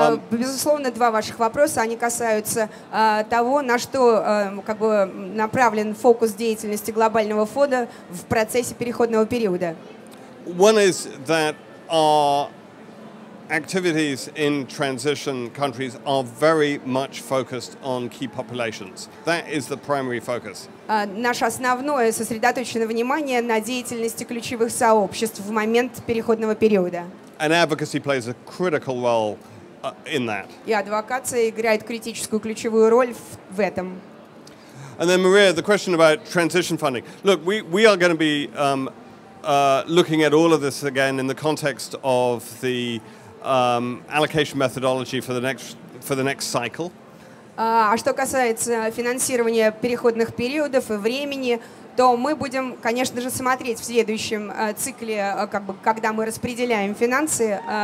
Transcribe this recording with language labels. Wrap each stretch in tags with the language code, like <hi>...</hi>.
<ru>Безусловно, два ваших вопроса, они касаются того, на что как бы направлен фокус деятельности глобального фонда в процессе переходного периода.</ru> <en>One is that our activities in transition countries are very much focused on key populations. That is the primary focus.</en> <ru>Наше основное сосредоточено внимание на деятельности ключевых сообществ в момент переходного периода.</ru> <en>And advocacy plays a critical role in that.</en> <ru>И адвокация играет критическую ключевую роль в этом.</ru> <en>And then Maria, the question about transition funding. Look, we are going to be looking at all of this again in the context of the allocation methodology for the next cycle.</en> <ru>А что касается финансирования переходных периодов и времени, то мы будем, конечно же, смотреть в следующем цикле, как бы, когда мы распределяем финансы.</ru>